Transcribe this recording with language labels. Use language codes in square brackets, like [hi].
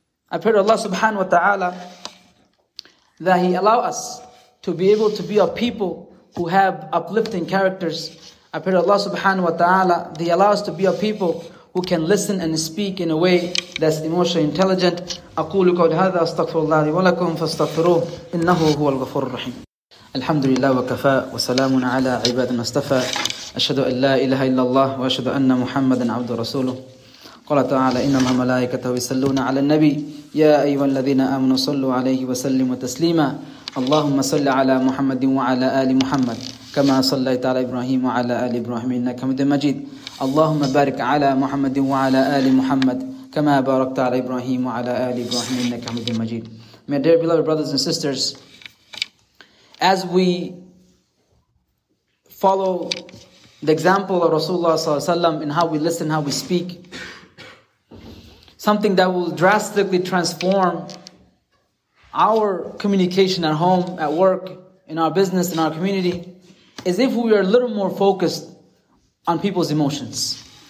[en] I pray to Allah subhanahu wa ta'ala that He allow us to be able to be a people who have uplifting characters. I pray to Allah subhanahu wa ta'ala that He allows us to be a people who can listen and speak in a way that's emotionally intelligent. [ar] أقول قول هذا أستغفر الله لي ولكم فاستغفروه إنه هو الغفور الرحيم. الحمد لله وكفى وسلام على عباد المصطفى. أشهد أن لا إله إلا الله وأشهد أن محمدا عبد رسوله. قال تعالى إن الملائكة يصلون على النبي يا أيها الذين آمنوا صلوا عليه وسلموا تسليما. اللهم صل على محمد وعلى آل محمد كما صليت على إبراهيم وعلى آل إبراهيم إنك حميد مجيد. اللهم بارك على محمد وعلى آل محمد كما باركت على إبراهيم وعلى آل إبراهيم إنك حميد مجيد. [en] My dear beloved brothers and sisters, as we follow the example of Rasulullah صلى الله عليه وسلم in how we listen, how we speak, something that will drastically transform our communication at home, at work, in our business, in our community, is if we are a little more focused on people's emotions.